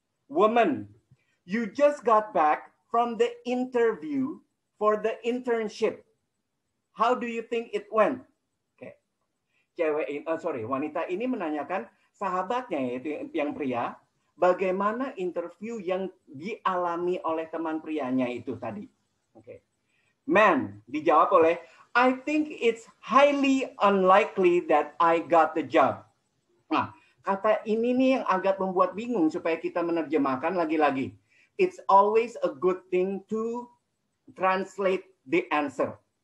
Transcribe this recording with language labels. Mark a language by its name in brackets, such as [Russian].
[English] Woman, you just got back from the interview for the internship. How do you think it went? Okay. [Indonesian] Wanita ini menanyakan, sahabatnya yaitu yang pria, bagaimana interview yang dialami oleh teman prianya itu tadi. [English] Okay. Man, [Indonesian] dijawab oleh, [English] I think it's highly unlikely that I got the job. [Indonesian] Nah, kata ini nih yang agak membuat bingung supaya kita menerjemahkan lagi-lagi. [English] It's always a good thing to translate the answer.